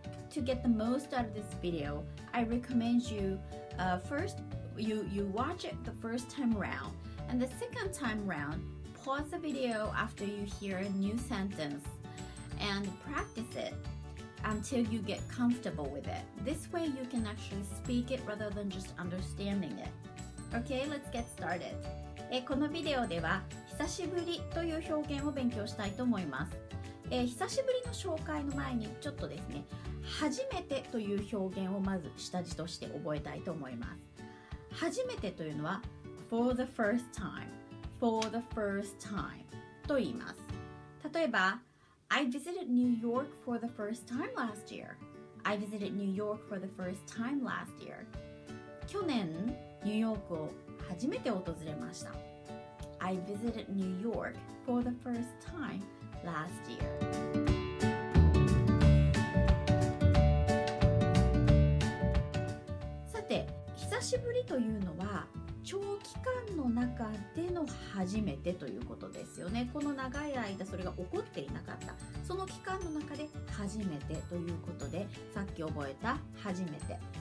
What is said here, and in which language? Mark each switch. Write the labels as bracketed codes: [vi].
[en] To get the most out of this video, I recommend you first, you watch it the first time around, and the second time around, pause the video after you hear a new sentenceAnd practice it until you get comfortable with it. This way you can actually speak it rather than just understanding it. Okay, let's get started. [ja] このビデオでは久しぶりという表現を勉強したいと思います。久しぶりの紹介の前にちょっとですね、初めてという表現をまず下地として覚えたいと思います。初めてというのは [en] for the first time, for the first time [ja] と言います。例えば [en] I visited New York for the first time last year. I visited New York for the first time last year. [ja] 去年、ニューヨークを初めて訪れました。 [en] I visited New York for the first time last year. [ja] さて、久しぶりというのは長期間の中での初めてということですよね。この長い間それが起こっていなかった。その期間の中で初めてということで、さっき覚えた初めて。